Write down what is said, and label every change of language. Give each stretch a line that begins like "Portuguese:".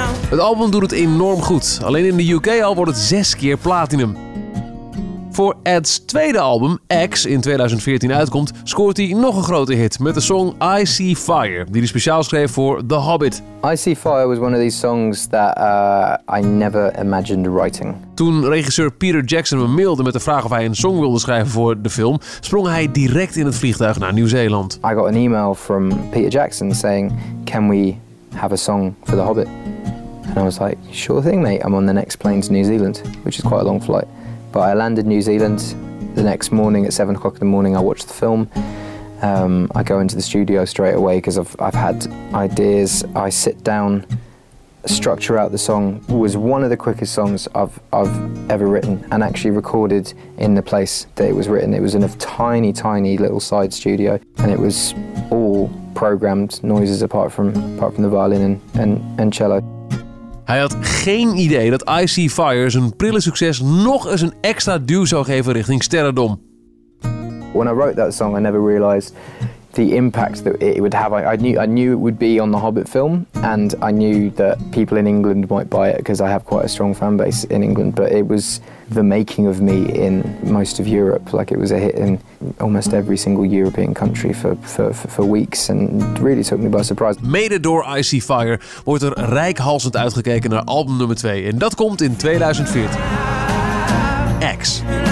Dutch: Het album doet het enorm goed. Alleen in de UK al wordt het 6 keer platinum. Voor Ed's tweede album, X, in 2014 uitkomt, scoort hij nog een grote hit met de song I See Fire, die hij speciaal schreef voor The Hobbit.
English: I See Fire was one of these songs that I never imagined writing.
Dutch: Toen regisseur Peter Jackson me mailde met de vraag of hij een song wilde schrijven voor de film, sprong hij direct in het vliegtuig naar Nieuw-Zeeland.
English: I got an email from Peter Jackson saying, can we have a song for The Hobbit? And I was like, sure thing mate, I'm on the next plane to New Zealand, which is quite a long flight. But I landed in New Zealand the next morning at 7 o'clock in the morning. I watched the film. I go into the studio straight away because I've had ideas. I sit down, structure out the song. It was one of the quickest songs I've ever written and actually recorded in the place that it was written. It was in a tiny, tiny little side studio and it was all programmed noises apart from the violin and cello.
Dutch: Hij had geen idee dat I See Fire zijn prille succes nog eens een extra duw zou geven richting sterrendom.
English: When I wrote that song, I never realized the impact that it would have. I knew it would be on the Hobbit film, and I knew that people in England might buy it because I have quite a strong fan base in England. But it was the making of me in most of Europe. Like, it was a hit in almost every single European country for weeks, and really took me by surprise.
Dutch: Mede door I See Fire wordt er rijkhalsend uitgekeken naar album nummer 2, en dat komt in 2014. X.